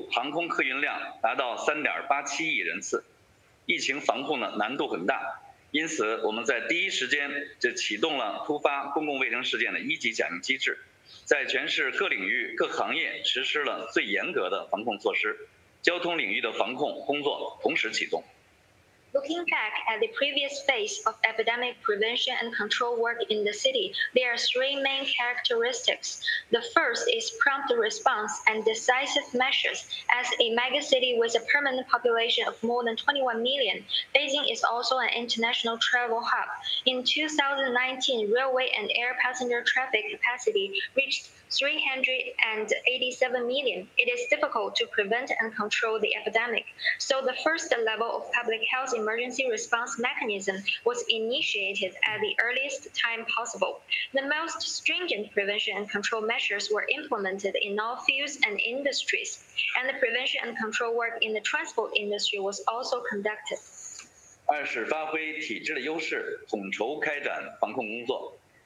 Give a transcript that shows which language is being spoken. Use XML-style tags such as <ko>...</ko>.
<zh>2019年铁路航空客运量达到 3.87亿人次， 疫情防控呢难度很大，因此我们在第一时间就启动了突发公共卫生事件的一级假定机制，在全市各领域各行业实施了最严格的防控措施，交通领域的防控工作同时启动。</zh> <en>Looking back at the previous phase of epidemic prevention and control work in the city, there are three main characteristics. The first is prompt response and decisive measures. As a megacity with a permanent population of more than 21 million, Beijing is also an international travel hub. In 2019, railway and air passenger traffic capacity reached 387 million. It is difficult to prevent and control the epidemic. So the first level of public health emergency response mechanism was initiated at the earliest time possible. The most stringent prevention and control measures were implemented in all fields and industries, and the prevention and control work in the transport industry was also conducted.</en> <zh>二是发挥体制的优势，统筹开展防控工作。</zh>